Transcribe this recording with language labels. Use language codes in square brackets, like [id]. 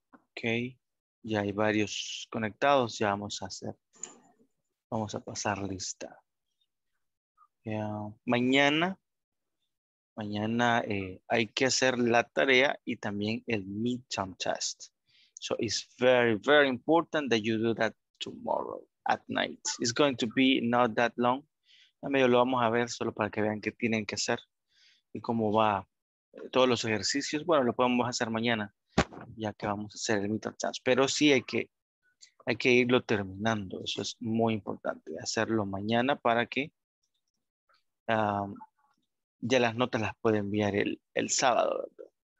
[es] Okay, ya hay varios conectados, ya vamos a hacer. Vamos a pasar lista. Mañana hay que hacer la tarea y también el midterm test. [en] So it's very, very important that you do that tomorrow at night. It's going to be not that long. [es] Medio lo vamos a ver solo para que vean qué tienen que hacer y cómo va todos los ejercicios. Bueno, lo podemos hacer mañana ya que vamos a hacer el midterm test. Pero sí hay que irlo terminando, eso es muy importante, hacerlo mañana para que ya las notas las pueda enviar el sábado, ¿verdad?